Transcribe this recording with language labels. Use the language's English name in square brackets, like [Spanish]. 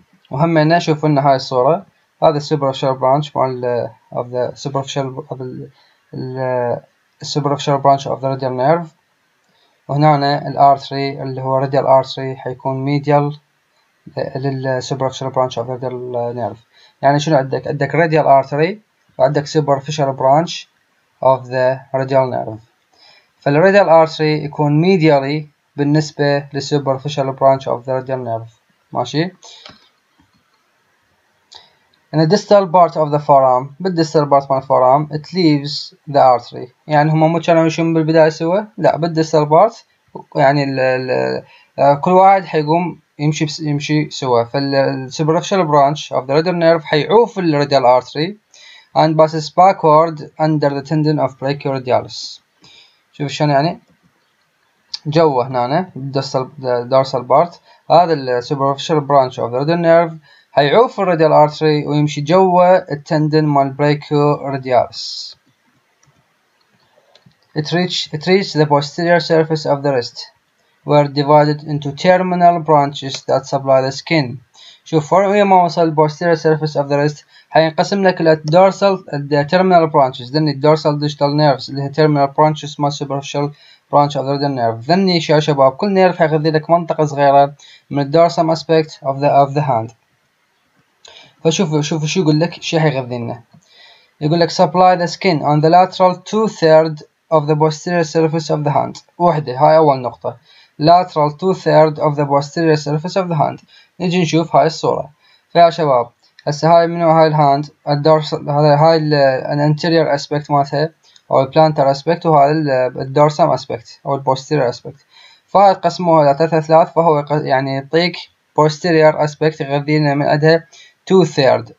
[Arabic] وهم هنا شوفوا لنا هاي الصورة، هذا السوبرفيشال برانش مال اوف ذا سوبرفيشال اوف السوبرفيشال برانش اوف ذا راديال نيرف، وهنا الارتري اللي هو راديال ارتري حيكون ميديال للسوبرفيشال برانش اوف ذا راديال نيرف. يعني شنو عندك؟ عندك راديال ارتري [English] وعندك superficial branch of the radial nerve. فال radial artery يكون medially بالنسبة لل superficial branch of the radial nerve. [Arabic] ماشي. [English] In the distal part of the forearm, [Arabic] بال distal part من الفورام, [English] it leaves the artery. [Arabic] يعني هما مو كانوا يشون بالبداية سوا, لا بال distal part يعني الـ كل واحد حيقوم يمشي سوا. [English] فال superficial branch of the radial nerve [Arabic] حيعوف ال [English] radial artery and passes backward under the tendon of brachioradialis. [Arabic] شوف شلون يعني جوا هنا الدستال دارسال بارت, هذا السوبرفيشال برانش اوف ذا ريدال نيرف هيعوف الراديال ارتري ويمشي جوا التندن مال بريكو رادياليس. [English] It reaches the posterior surface of the wrist where divided into terminal branches that supply the skin. [Arabic] شوف فور ما وصل البوستيريور سيرفيس اوف ذا ريست حينقسم لك الدورسال الترمينال برانشز, ذني الدورسال ديجيتال نيرفز اللي هي ترمينال برانشز مال سوبرفيشال برانش اوف ذا ريدال نيرف, ذني يا شباب كل نيرف حيغذي لك منطقه صغيره من الدورسال اسبيكت اوف ذا هاند. فشوف شو يقول لك, [English] شو حيغذي لنا, يقول لك supply the skin on the lateral 2/3 of the posterior surface of the hand. [Arabic] وحده هاي اول نقطه, [English] lateral 2/3 of the posterior surface of the hand. [Arabic] نجي نشوف هاي الصورة. فيا شباب هسه هاي منو هاي الهاند الدورسال, هاي الانتيريور اسبيكت مالتها او البلانتر اسبيكت, وهاي الدورسام اسبيكت او البوستيريور اسبيكت. فهاي قسموها الى 3/3, فهو يعني يعطيك بوستيريور اسبيكت يغذي لنا من عندها 2/3.